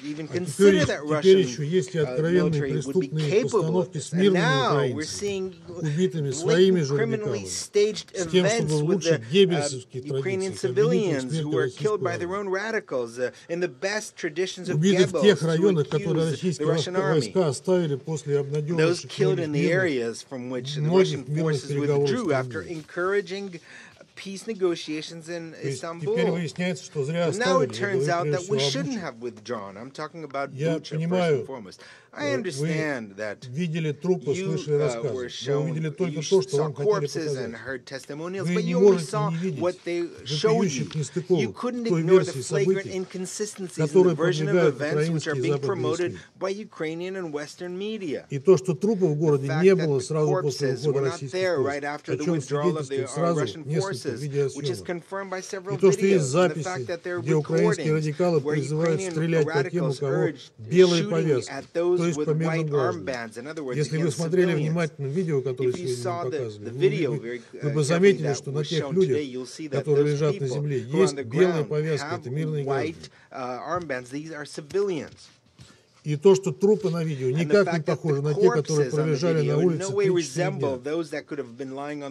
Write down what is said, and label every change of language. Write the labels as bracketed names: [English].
[Russian] А теперь еще есть и откровенные преступные постановки с мирными украинцами, убитыми своими же радикалами, с тем, чтобы улучшить геббельсовские традиции, заменить их смерти российского. Убиты в тех районах, которые российские войска оставили после обнадеживающих мирных. [English] The areas from which the Russian forces withdrew after encouraging peace negotiations in Istanbul. So now it turns out that we shouldn't have withdrawn. I'm talking about Bucha first and foremost. I understand that you were shown, you saw corpses and heard testimonials, but you only saw what they showed you. You couldn't ignore the flagrant inconsistencies in the version of events which are being promoted by Ukrainian and Western media. The fact that corpses were not there right after the withdrawal of the Russian forces, which is confirmed by several videos, and the fact that there are recordings where Ukrainian radicals urge shooting at those [Russian] то есть по мирным гражданам. Если вы смотрели внимательно видео, которое сегодня мы показывали, вы бы заметили, что на тех людях, которые лежат на земле, есть белая повязка, это мирные граждане. И то, что трупы на видео никак не похожи на те, которые пролежали на улице 3-4 дня.